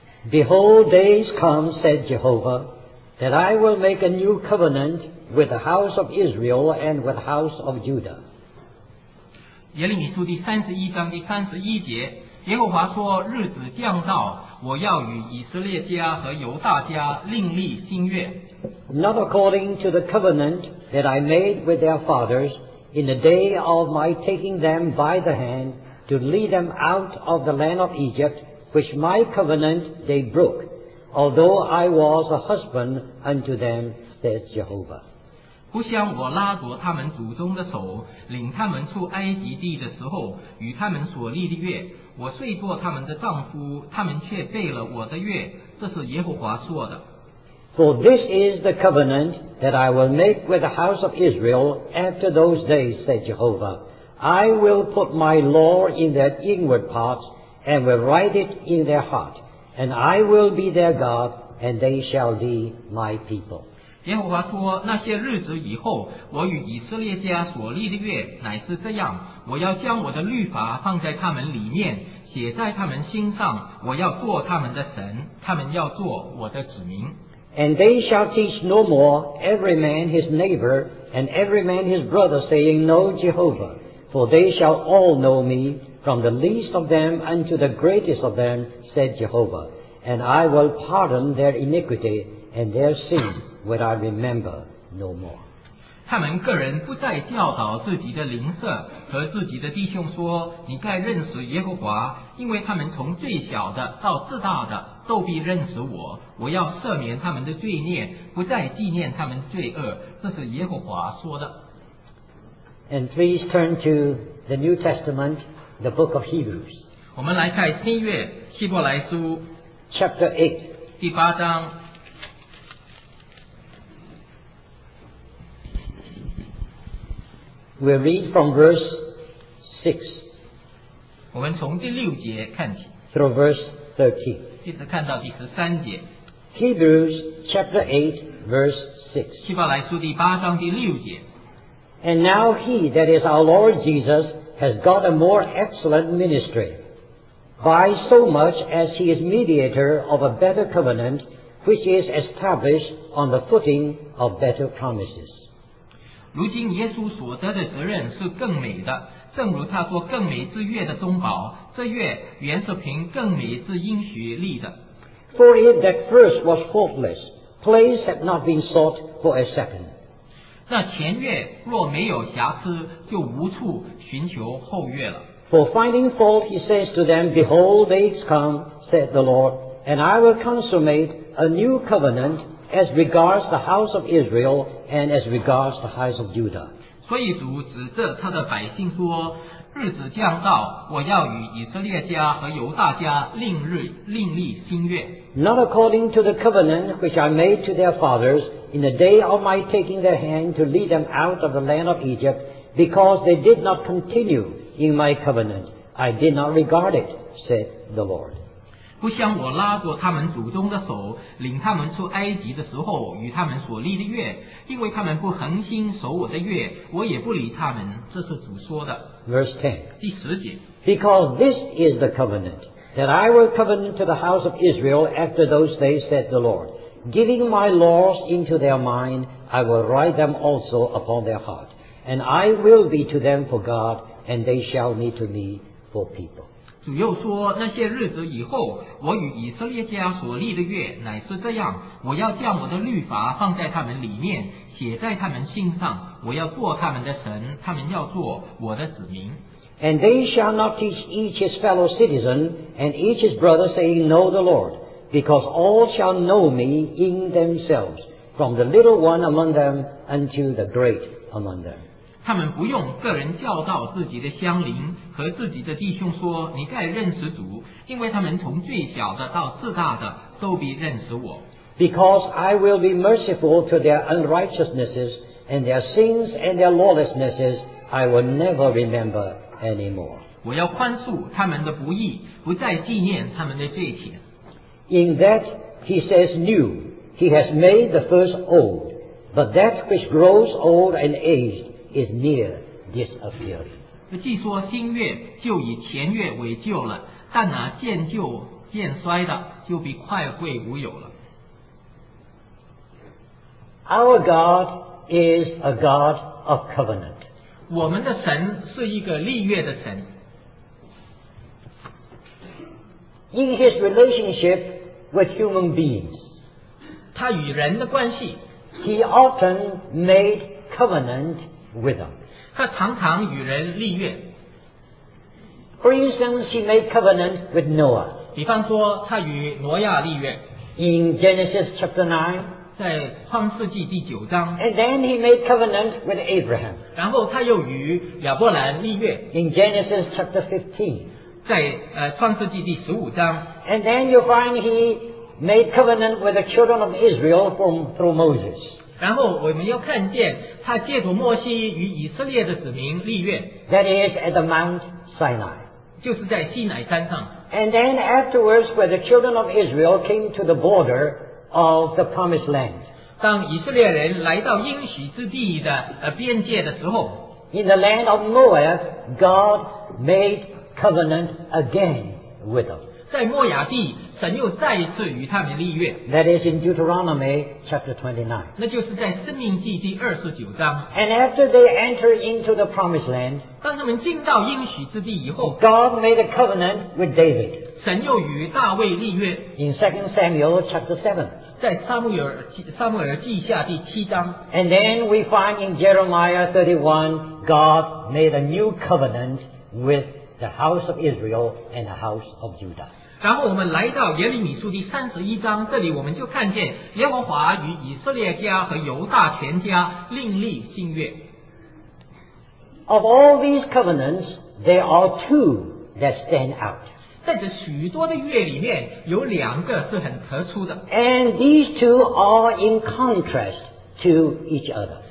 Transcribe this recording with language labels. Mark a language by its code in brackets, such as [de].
[en] Behold, days come, said Jehovah, that I will make a new covenant with the house of Israel and with the house of Judah. [zh] 耶利米书第三十一章第三十一节，耶和华说：日子将到，我要与以色列家和犹大家另立新约。 [en] Not according to the covenant that I made with their fathers in the day of my taking them by the hand to lead them out of the land of Egypt. Which my covenant they broke, although I was a husband unto them, says Jehovah. [zh] 不像我拉着他们祖宗的手，领他们出埃及地的时候，与他们所立的约，我虽做他们的丈夫，他们却背了我的约，这是耶和华说的。 [en] For this is the covenant that I will make with the house of Israel after those days, says Jehovah. I will put my law in their inward parts. And will write it in their heart, and I will be their God, and they shall be my people. [zh] 耶和华说，那些日子以后，我与以色列家所立的约乃是这样：我要将我的律法放在他们里面，写在他们心上；我要做他们的神，他们要做我的子民。 [en] And they shall teach no more every man his neighbor and every man his brother, saying, Know Jehovah, for they shall all know me. From the least of them unto the greatest of them, said Jehovah, and I will pardon their iniquity and their sin will I remember no more. [zh] 他们个人不再教导自己的邻舍和自己的弟兄说，你该认识耶和华，因为他们从最小的到至大的都必认识我。我要赦免他们的罪孽，不再纪念他们罪恶。这是耶和华说的。 [en] And please turn to the New Testament. The book of Hebrews. [zh] 我们来看新约希伯来书 [en] Chapter 8. [zh] 第八章 [en] We'll read from verse 6. [zh] 我们从第六节看起 [en] Through verse 13. [zh] 一直看到第十三节 [en] Hebrews chapter 8 verse 6. [zh] 希伯来书第八章第六节 [en] And now he that is our Lord Jesus. Has got a more excellent ministry, by so much as he is mediator of a better covenant, which is established on the footing of better promises. [zh] 如今耶稣所得的责任是更美的，正如他说更美之约的中保，这约原是凭更美之应许立的。 [en] For it that first was faultless, place had not been sought for a second. [zh] 那前月若没有瑕疵，就无处寻求后月了。 [en] For finding fault, he says to them, Behold, days come, said the Lord, and I will consummate a new covenant as regards the house of Israel and as regards the house of Judah. [zh] 所以主指着他的百姓说，日子将到，我要与以色列家和犹大家另立新约。 [en] Not according to the covenant which I made to their fathers. In the day of my taking their hand to lead them out of the land of Egypt, because they did not continue in my covenant, I did not regard it, said the Lord. [zh] 不像我拉过他们祖宗的手，领他们出埃及的时候，与他们所立的约，因为他们不恒心守我的约，我也不理他们。这是主说的。 [en] Verse 10. [zh] 第十节。 [en] Because this is the covenant that I will covenant to the house of Israel after those days, said the Lord. Giving my laws into their mind, I will write them also upon their heart. And I will be to them for God, and they shall be to me for people. [zh] 主又说，那些日子以后，我与以色列家所立的约乃是这样，我要将我的律法放在他们里面，写在他们心上，我要做他们的神，他们要做我的子民。 [en] And they shall not teach each his fellow citizen, and each his brother, saying, Know the Lord. Because all shall know me in themselves, from the little one among them unto the great among them. [zh] 他们不用个人教导自己的乡邻和自己的弟兄说，你该认识主，因为他们从最小的到至大的都必认识我。 [en] Because I will be merciful to their unrighteousnesses and their sins and their lawlessnesses, I will never remember anymore. [zh] 我要宽恕他们的不义，不再纪念他们的罪孽。 [en] In that he says new, he has made the first old, but that which grows old and aged is near disappearing. [zh] 既说新月就以前月为旧了，但那渐旧渐衰的就比快会无有了。 [en] Our God is a God of covenant. [zh] 我们的神是一个立约的神。 [en] In his relationship with human beings, [zh] 他与人的关系, [en] he often made covenant with them. [zh] 他常常与人立约。 [en] For instance, he made covenant with Noah. [zh] 比方说他与挪亚立约。 [en] In Genesis chapter 9, [zh] 在创世纪第九章。 [en] And then he made covenant with Abraham. [zh] 然后他又与亚伯兰立约。 [en] In Genesis chapter 15, [zh] 在创世纪第十五章。 [en] And then you find he made covenant with the children of Israel through Moses. [zh] 然后我们又看见他借着摩西与以色列的子民立约。 [en] That is at the Mount Sinai. [zh] 就是在西乃山上。 [en] And then afterwards where the children of Israel came to the border of the promised land. [zh] 当以色列人来到应许之地的边界的时候。 [en] In the land of Moab, God made covenant again with them. [zh] 在摩亚地，神又再一次与他们立约。 [en] That is in Deuteronomy chapter 29. [zh] 那就是在申命记第二十九章。 [en] And after they enter into the promised land, [zh] 当他们进到应许之地以后， [en] God made a covenant with David. [zh] 神又与大卫立约。 [en] In 2 Samuel chapter 7. [zh] 在撒母耳记下第七章。 [en] And then we find in Jeremiah 31, God made a new covenant with the house of Israel and the house of Judah. [zh] 然后我们来到耶利米书第三十一章，这里我们就看见耶和华与以色列家和犹大全家另立新约。 [en] Of all these covenants, there are two that stand out. [zh] 在这许多的约里面，有两个是很突出的。 [en] And these two are in contrast to each other.